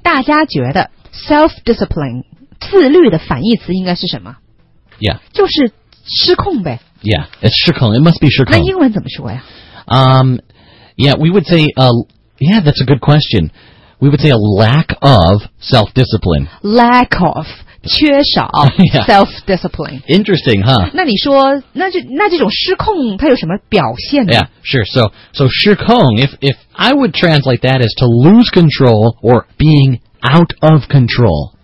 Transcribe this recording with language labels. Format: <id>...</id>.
<zh>大家觉得 self-discipline 自律的反义词应该是什么</zh> <en>yeah</en> <zh>就是失控呗</zh> <en>yeah it's 失控 it must be 失控</en> <zh>那英文怎么说呀</zh> <en>Yeah, we would say, yeah, that's a good question. We would say a lack of self-discipline. Lack of, 缺少 self-discipline. Yeah. Interesting, huh?</en> <zh>那你说,那这种失控,它有什么表现呢?</zh> <en>Yeah, sure. So 失控, if I would translate that as to lose control or being out of control.</en>